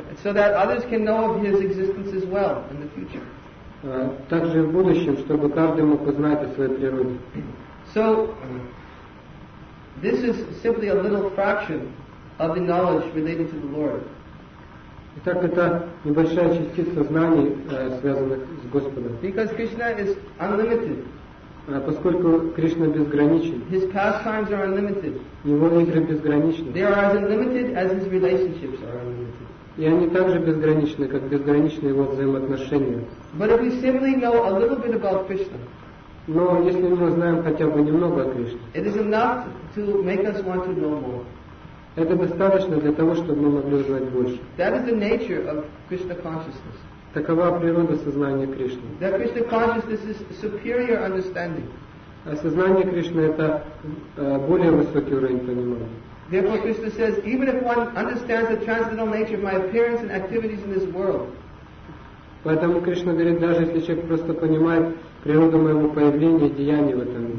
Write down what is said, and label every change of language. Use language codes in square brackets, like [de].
[en] so that others can know of his existence as well in the future. [ru] Также в будущем, чтобы каждый мог узнать о своей природе. [en] So this is simply a little fraction of the knowledge related to the Lord. [ru] Итак, это небольшая частица знаний, связанных с Господом. [en] Because Krishna is unlimited. [ru] Поскольку Кришна безграничен. [en] His pastimes are unlimited. [ru] Его игры безграничны. [en] They are as unlimited as his relationships are unlimited. [ru] И они также безграничны, как безграничны его взаимоотношения. [en] But if we simply know a little bit about Krishna. [ru] Но если мы знаем хотя бы немного о Кришне. [en] It is enough to make us want to know more. [ru] Это достаточно для того, чтобы мы могли узнать больше. [en] That is the nature of Krishna consciousness. [ru] Такова природа сознания Кришны. [en] That Krishna consciousness is superior understanding. [ru] А сознание Кришны это более высокий уровень понимания. [en] Therefore, Krishna says, even if one understands the transcendental nature of my appearance and activities in this world. [ru] Поэтому Кришна говорит, даже если человек просто понимает природу моего появления и деяний в этом мире.